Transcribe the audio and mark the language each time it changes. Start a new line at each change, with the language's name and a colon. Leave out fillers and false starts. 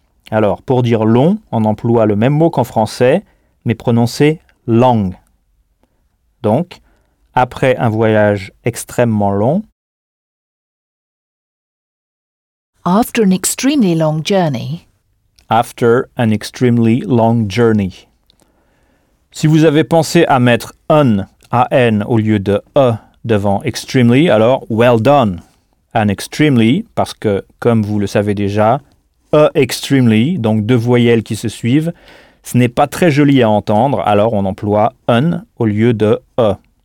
French: Alors, pour dire long, on emploie le même mot qu'en français, mais prononcé long. Donc, après un voyage extrêmement long.
English: After an extremely long journey. After an extremely long journey.
French: Si vous avez pensé à mettre un, A-N, au lieu de E devant extremely, alors
English: well done.
French: An extremely, parce que, comme vous le savez déjà, a extremely, donc deux voyelles qui se suivent, ce n'est pas très joli à entendre, alors on emploie an au lieu de a.